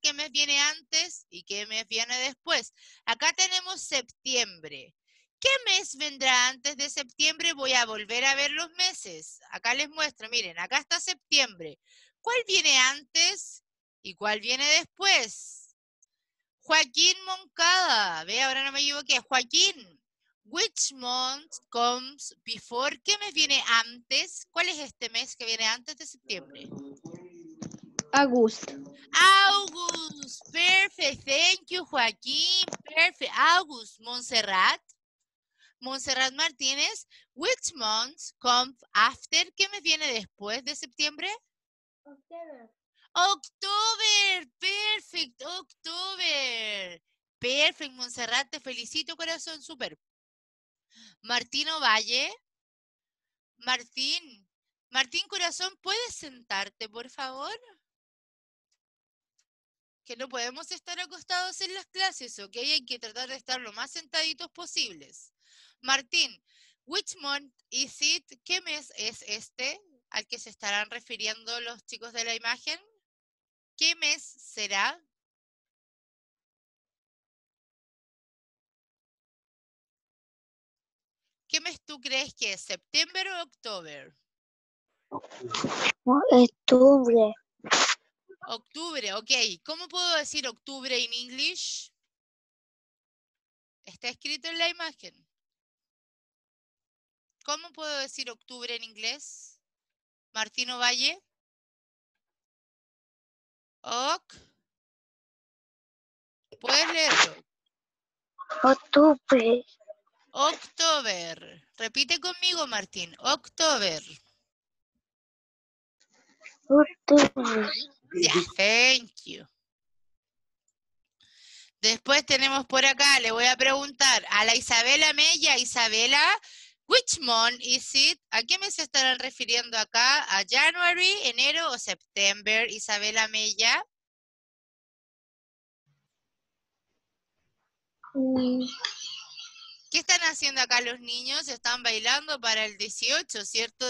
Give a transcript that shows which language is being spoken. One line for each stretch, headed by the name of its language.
Spanish: ¿Qué mes viene antes y qué mes viene después? Acá tenemos septiembre. ¿Qué mes vendrá antes de septiembre? Voy a volver a ver los meses. Acá les muestro, miren, acá está septiembre. ¿Cuál viene antes y cuál viene después? Joaquín Moncada, ve, ahora no me equivoqué, Joaquín.
English: Which month comes before?
Spanish: ¿Qué mes viene antes? ¿Cuál es este mes que viene antes de septiembre?
English: August. August. Perfect. Thank you, Joaquín. Perfect. August. Montserrat.
Spanish: Montserrat Martínez.
English: Which month comes after?
Spanish: ¿Qué mes viene después de septiembre?
English: October. Perfect. October. Perfect, Montserrat.
Spanish: Te felicito, corazón. Super. Martín Ovalle, Martín, Martín Corazón, ¿puedes sentarte, por favor? Que no podemos estar acostados en las clases, ¿ok? Hay que tratar de estar lo más sentaditos posibles.
English: Martín, which month is it?
Spanish: ¿Qué mes es este al que se estarán refiriendo los chicos de la imagen? ¿Qué mes será? ¿Qué mes tú crees que es? ¿Septiembre o octubre? Octubre. Octubre, ok. ¿Cómo puedo decir octubre en inglés? Está escrito en la imagen. ¿Cómo puedo decir octubre en inglés? Martín Ovalle. Ok. ¿Puedes leerlo? Octubre. October. Repite conmigo, Martín. October.
English: October. Yeah, thank you.
Spanish: Después tenemos por acá, le voy a preguntar a la Isabela Mella.
English: Isabela, which month is it?
Spanish: ¿A qué mes se estarán refiriendo acá? ¿A January, enero o September, Isabela Mella? ¿Qué están haciendo acá los niños? Están bailando para el 18, ¿cierto?